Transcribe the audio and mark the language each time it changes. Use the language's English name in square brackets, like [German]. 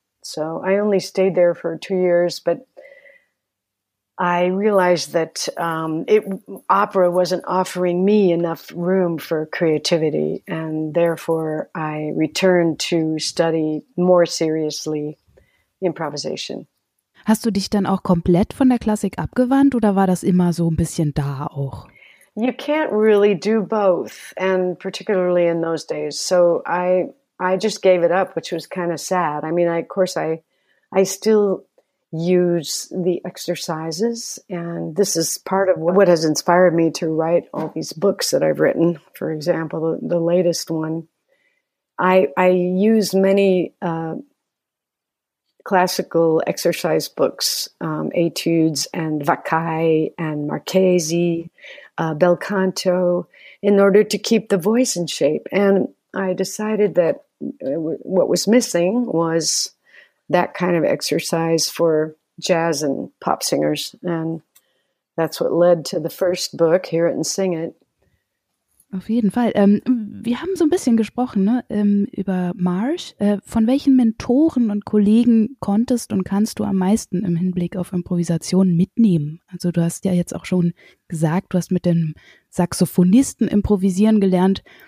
[English] So I only stayed there for 2 years, but I realized that opera wasn't offering me enough room for creativity, and therefore I returned to study more seriously improvisation. [German] Hast du dich dann auch komplett von der Klassik abgewandt, oder war das immer so ein bisschen da auch? [English] You can't really do both, and particularly in those days. So I just gave it up, which was kind of sad. I mean, of course, I still use the exercises, and this is part of what has inspired me to write all these books that I've written. For example, the latest one, I use many classical exercise books, etudes and Vaccai and Marchesi, bel canto, in order to keep the voice in shape. And I decided that what was missing was that kind of exercise for jazz and pop singers. And that's what led to the first book, Hear It and Sing It. [German] Auf jeden Fall. Wir haben so ein bisschen gesprochen, ne, über Marsh. Von welchen Mentoren und Kollegen konntest und kannst du am meisten im Hinblick auf Improvisation mitnehmen? Also du hast ja jetzt auch schon gesagt, du hast mit dem Saxophonisten improvisieren gelernt.